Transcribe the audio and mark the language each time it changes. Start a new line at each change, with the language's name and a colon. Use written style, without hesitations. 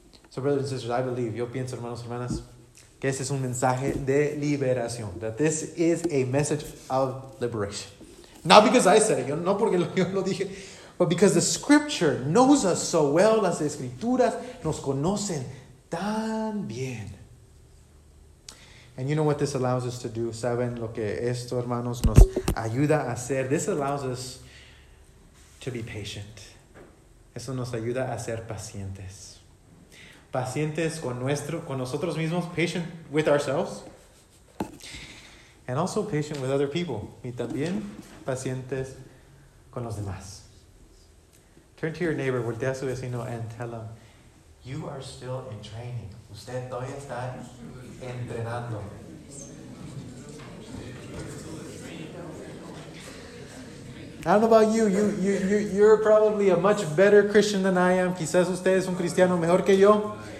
English: So brothers and sisters, I believe,
Spanish: yo pienso, hermanos y hermanas, que este es un mensaje de liberación,
English: that this is a message of liberation. Not because I said it,
Spanish: yo no porque yo lo dije,
English: but because the Scripture knows us so well,
Spanish: las Escrituras nos conocen tan bien.
English: And you know what this allows us to do?
Spanish: ¿Saben lo que esto, hermanos, nos ayuda a hacer?
English: This allows us to be patient.
Spanish: Eso nos ayuda a ser pacientes. Pacientes con nosotros mismos,
English: patient with ourselves. And also patient with other people.
Spanish: Y también pacientes con los demás.
English: Turn to your neighbor,
Spanish: voltea a su vecino,
English: and tell him, you are still in training.
Spanish: Usted todavía está entrenando.
English: I don't know about you. You're probably a much better Christian than I am.
Spanish: Quizás usted es un cristiano mejor que yo.